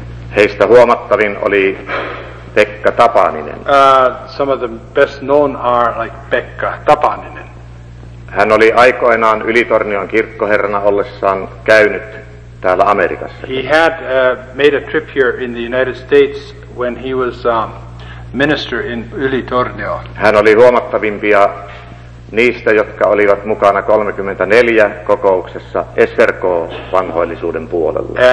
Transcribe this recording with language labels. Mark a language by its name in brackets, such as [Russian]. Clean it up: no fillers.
[Finnish] Heistä huomattavin oli Pekka Tapaninen. [English] Some of the best known are like Pekka Tapaninen. [Finnish] Hän oli aikoinaan Ylitornion kirkkoherrana ollessaan käynyt täällä Amerikassa. [English] He had made a trip here in the United States when he was minister in Ylitornio. [Finnish] Hän oli huomattavimpia niistä, jotka olivat mukana 34 kokouksessa SRK-vanhoillisuuden puolella.